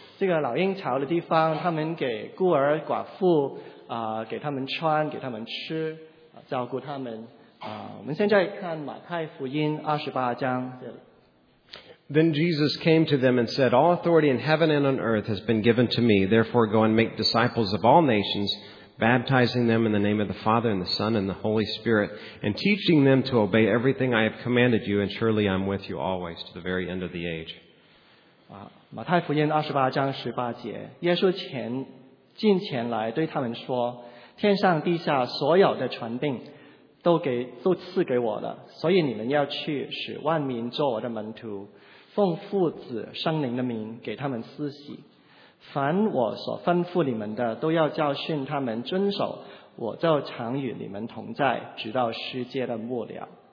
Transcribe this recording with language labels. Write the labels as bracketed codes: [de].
[zh] 这个老鹰巢的地方，他们给孤儿寡妇，给他们穿，给他们吃，照顾他们。我们现在看马太福音28章。 [en] Then Jesus came to them and said, All authority in heaven and on earth has been given to me. Therefore go and make disciples of all nations, baptizing them in the name of the Father and the Son and the Holy Spirit, and teaching them to obey everything I have commanded you, and surely I'm with you always to the very end of the age. [zh] 马太福音28章18节，耶稣近前来对他们说，天上地下所有的权柄都赐给我了，所以你们要去使万民做我的门徒，奉父子圣灵的名给他们施洗，凡我所吩咐你们的都要教训他们遵守，我就常与你们同在，直到世界的末了。